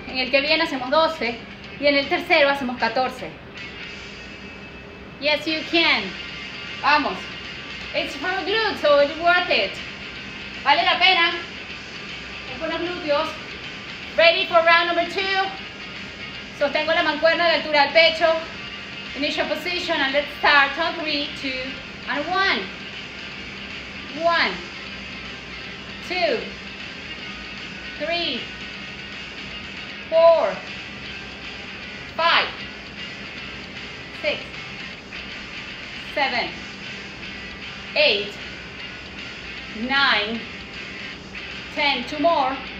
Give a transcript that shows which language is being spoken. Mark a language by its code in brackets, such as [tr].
[es] En el que viene hacemos 12 y en el tercero hacemos 14. [en] Yes, you can. [es] Vamos. [en] It's for the glutes, so it's worth it. [es] Vale la pena. Es por los glúteos. [en] Ready for round number two. [es] Sostengo la mancuerna a la altura del pecho. [en] Initial position and let's start on three, two, and one. One, two, three, four, five, six, seven, eight, nine, ten. Two more.